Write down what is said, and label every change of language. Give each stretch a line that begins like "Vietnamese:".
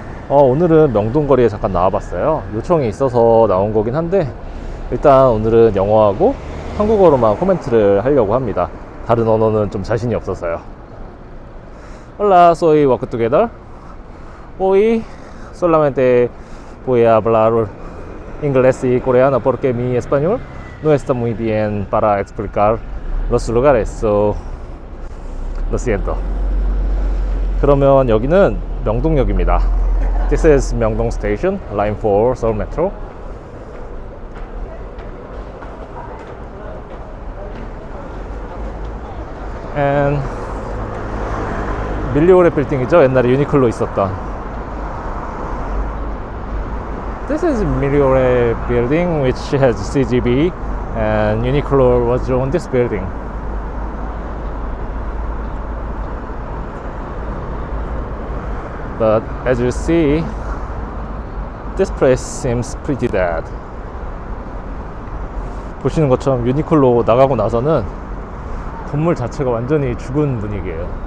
Korean: 오늘은 명동 거리에 잠깐 나와봤어요. 요청이 있어서 나온 거긴 한데 일단 오늘은 영어하고 한국어로만 코멘트를 하려고 합니다. 다른 언어는 좀 자신이 없어서요.
Spanish: Hola, soy Walk Together. Hoy solamente voy a hablar inglés y coreano porque mi español no está muy bien para explicar los lugares. So, lo siento.
Korean: 그러면 여기는 명동역입니다.
English: This is Myeongdong Station, Line 4, Seoul Metro.
Korean: 밀리오레 빌딩이죠? 옛날에 유니클로 있었던.
English: This is Myeongdong building which has CGV and Uniqlo was on this building. But as you see, this place seems pretty dead.
Korean: 보시는 것처럼 유니클로 나가고 나서는 건물 자체가 완전히 죽은 분위기예요.